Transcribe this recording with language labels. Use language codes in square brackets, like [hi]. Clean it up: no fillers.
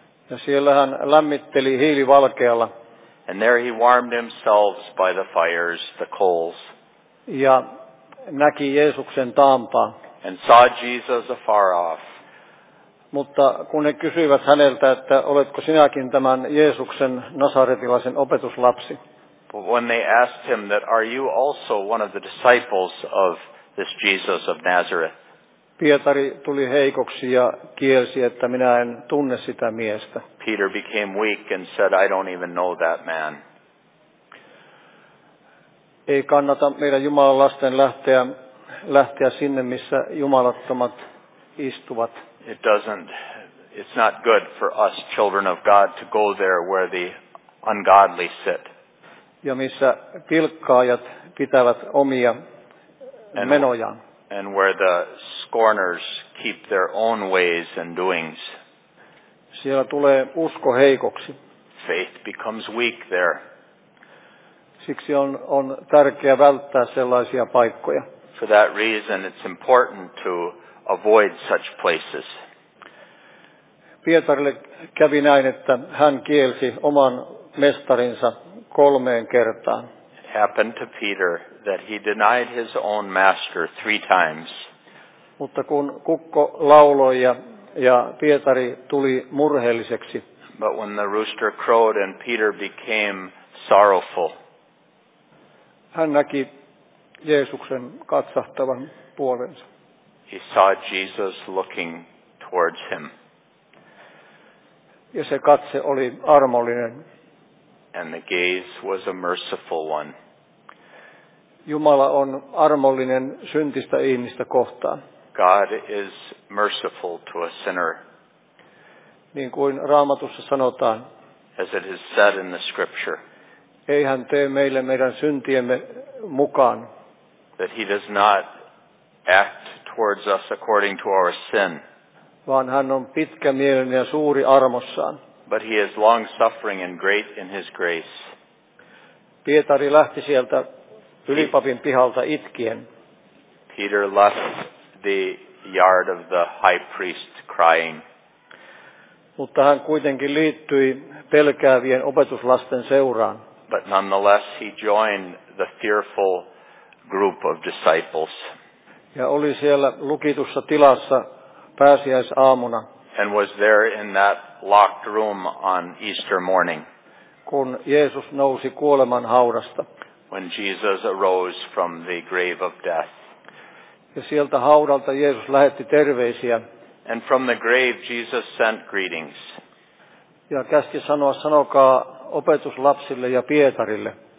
[fi] Ja siellä hän lämmitteli hiilivalkealla. [en] And there he warmed himself by the fires, the coals. [fi] Ja näki Jeesuksen taampaa. [en] And saw Jesus afar off. [fi] Mutta kun he kysyivät häneltä, että oletko sinäkin tämän Jeesuksen nasaretilaisen opetuslapsi. [en] But when they asked him that, are you also one of the disciples of this Jesus of Nazareth? [fi] Pietari tuli heikoksi ja kielsi, että minä en tunne sitä miestä. [en] Peter became weak and said, I don't even know that man. [fi] Ei kannata meidän Jumalan lasten lähteä sinne, missä jumalattomat istuvat. [en] It's not good for us children of God to go there where the ungodly sit. [fi] Ja missä pilkkaajat pitävät omia menojaan. [en] And where the scorners keep their own ways and doings. [fi] Siellä tulee usko heikoksi. [en] Faith becomes weak there. [fi] Siksi on tärkeää välttää sellaisia paikkoja. [en] For that reason it's important to avoid such places. [fi] Pietarille kävi näin, että hän kielsi oman mestarinsa 3 kertaan. [en] It happened to Peter that he denied his own master 3 times. [fi] Mutta kun kukko lauloi ja Pietari tuli murheelliseksi. [en] But when the rooster crowed and Peter became sorrowful. [fi] Hän näki Jeesuksen katsahtavan puolensa. [en] He saw Jesus looking towards him. [fi] Ja se katse oli armollinen. [en] And the gaze was a merciful one. [fi] Jumala on armollinen syntistä ihmistä kohtaan. [en] God is merciful to a sinner. [fi] Niin kuin Raamatussa sanotaan. [en] As it is said in the scripture. [fi] Ei hän tee meille meidän syntiemme mukaan. [en] That he does not act towards us according to our sin. [fi] vaan hän on pitkämielinen ja suuri armossaan. [en] But he is long suffering and great in his grace. [fi] Pietari lähti sieltä ylipapin pihalta itkien. [en] Peter left the yard of the high priest crying. [fi] Mutta hän kuitenkin liittyi pelkäävien opetuslasten seuraan. [en] But nonetheless he joined the fearful group of disciples. [fi] Ja oli siellä lukitussa tilassa pääsiäisaamuna. [en] And was there in that locked room on Easter morning. [fi] Kun Jeesus nousi kuoleman haudasta. [en] When Jesus arose from the grave of death. [fi] Ja sieltä haudalta Jeesus lähetti terveisiä. [en] And from the grave Jesus sent greetings. [fi] Ja käski sanoa, sanokaa opetuslapsille ja Pietarille.